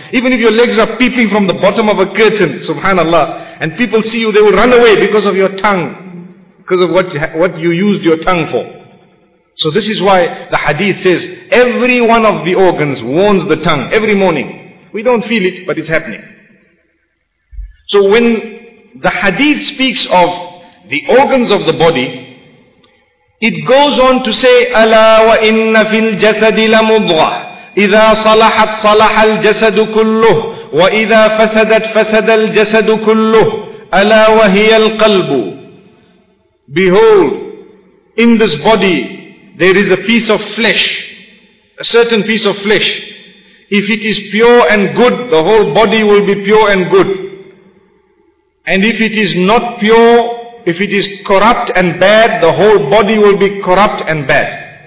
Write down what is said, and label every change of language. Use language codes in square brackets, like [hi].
[en] Even if your legs are peeping from the bottom of a curtain, subhanallah, and people see you, they will run away because of your tongue, because of what you used your tongue for. So this is why the hadith says, every one of the organs warns the tongue every morning. We don't feel it, but it's happening. So when the hadith speaks of the organs of the body, it goes on to say, [ar] أَلَا وَإِنَّ فِي الْجَسَدِ لَمُضْغَةٌ إِذَا صَلَحَتْ صَلَحَ الْجَسَدُ كُلُّهُ وَإِذَا فَسَدَتْ فَسَدَ الْجَسَدُ كُلُّهُ أَلَا وَهِيَ الْقَلْبُ. [en] Behold, in this body there is a piece of flesh, a certain piece of flesh. If it is pure and good, the whole body will be pure and good. And if it is not pure, if it is corrupt and bad, the whole body will be corrupt and bad.